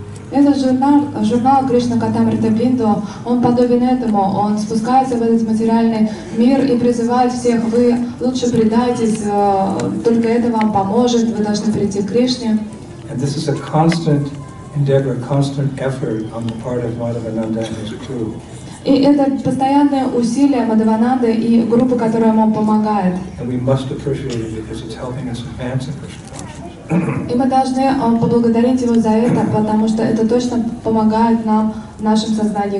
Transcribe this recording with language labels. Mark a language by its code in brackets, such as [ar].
[ru] Этот журнал Кришна Катамрита Бинду, он подобен этому, он спускается в этот материальный мир и призывает всех, вы лучше предайтесь, только это вам поможет, вы должны прийти к Кришне. [en] And this is a constant endeavor, constant effort on the part of Madhavananda and his crew. [ru] И это постоянное усилие Мадхавананды и группы, которая ему помогает. [en] And we must appreciate it because it's helping us advance in Krishna. [ru] И мы должны поблагодарить его за это, потому что это точно помогает нам в нашем сознании